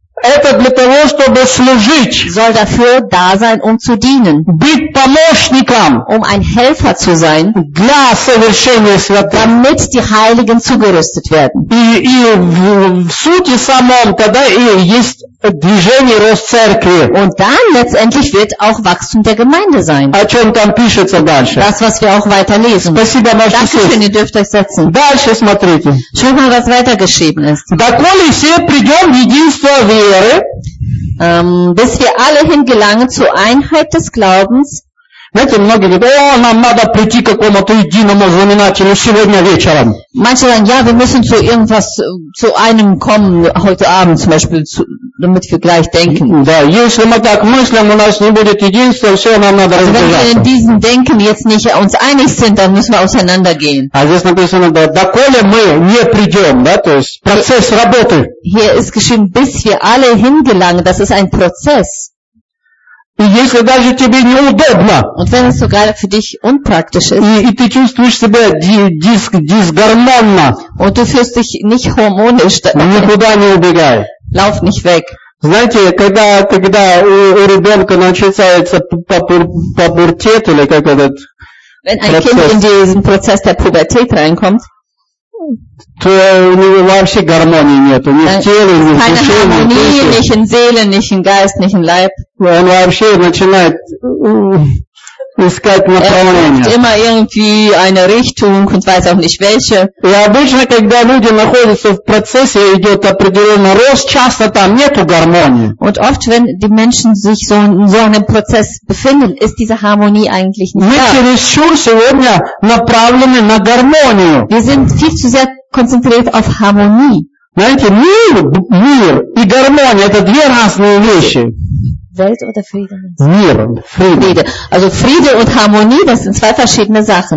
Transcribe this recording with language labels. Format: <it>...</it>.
<ru>это для того, чтобы служить.</ru> <de>Soll dafür da sein, zu dienen.</de> <ru>Быть помощником.</ru> <de>Ein Helfer zu sein.</de> <ru>Для совершения святых.</ru> <de>Damit die Heiligen zugerüstet werden.</de> <ru>И в сути самом, когда есть движение, рост церкви.</ru> <de>Und dann letztendlich wird auch Wachstum der Gemeinde sein.</de> <ru>О чем там пишется дальше.</ru> <de>Das, was wir auch weiterlesen.</de> <ru>Спасибо, можете сесть.</ru> <de>Dankeschön, ihr dürft euch setzen.</de> <ru>Дальше смотрите.</ru> <de>Schau mal, was weitergeschrieben ist.</de> <ru>Доколе все придем в единство веры,</ru> <de>bis wir alle hingelangen zur Einheit des Glaubens.</de> <ru>Знаете, многие говорят, о, нам надо прийти к какому-то единому знаменателю сегодня вечером.</ru> <de>Manche sagen, ja, wir müssen zu irgendwas, zu einem kommen, heute Abend zum Beispiel, damit wir gleich denken.</de> <ru>Да, если мы так мыслим, у нас не будет единства, все, нам надо разбежаться.</ru> <de>Wenn wir in diesem Denken jetzt nicht uns einig sind, dann müssen wir auseinandergehen.</de> <ru>А здесь написано, да, доколе мы не придем, да, то есть процесс работы.</ru> <de>Hier ist geschrieben, bis wir alle hingelangen, das ist ein Prozess.</de> <ru>И если даже тебе неудобно.</ru> <de>Und wenn es sogar für dich unpraktisch ist.</de> <ru>И ты чувствуешь себя дисгармонно.</ru> <de>Und du fühlst dich nicht harmonisch.</de> <ru>Никуда не убегай.</ru> <de>Lauf nicht weg.</de> <ru>Знаете, когда у ребенка начинается пубертет, или как этот</ru> <de>Wenn ein процесс, Kind in diesen Prozess der Pubertät reinkommt,</de> <ru>то у него вообще гармонии нету, ни в теле, ни в душе, ни в теле.</ru> <de>Nicht in Seele, nicht in Geist, nicht in Leib.</de> <ru>Он вообще начинает искать направление.</ru> <de>Er immer irgendwie eine Richtung und weiß auch nicht welche.</de> <ru>И обычно, когда люди находятся в процессе, идет определенный рост, часто там нету гармонии.</ru> <de>Und oft, wenn die Menschen sich so in so einem Prozess befinden, ist diese Harmonie eigentlich nicht</de> <ru>da. Мы чересчур сегодня направлены на гармонию.</ru> <de>Wir sind viel zu sehr konzentriert auf Harmonie.</de> <ru>Знаете, мир и гармония – это две разные вещи.</ru> <de>Welt oder Frieden?</de> <ru>Мир, Friede.</ru> <de>Also Friede und Harmonie, das sind zwei verschiedene Sachen.</de>